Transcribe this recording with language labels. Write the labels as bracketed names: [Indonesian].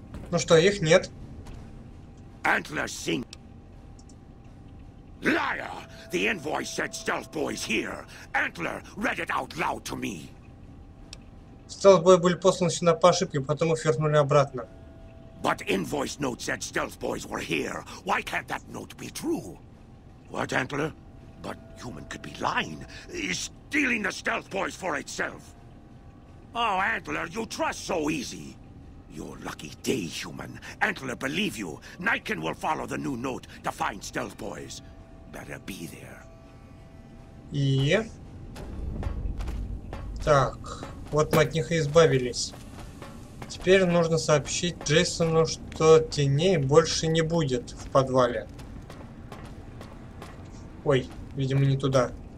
[Russian] Ну что, их нет. [English] Antler sing. Liar! The invoice said stealth boys here. Antler read it out loud to me. [Russian] Stealth boys были посланы сюда по ошибке, потом их вернули обратно. [English] But invoice note said stealth boys were here. Why can't that note be true? What, Antler? But human could be lying. Is stealing the stealth boys for itself. Oh, Antler, you trust so easy. Your lucky day, human. Antler, believe you. Nightkin will follow the new note to find stealth boys. Better be there. [Russian] И... Так, вот мы от них и избавились. Теперь нужно сообщить Джейсону, что теней больше не будет в подвале. Ой. Видимо, не туда.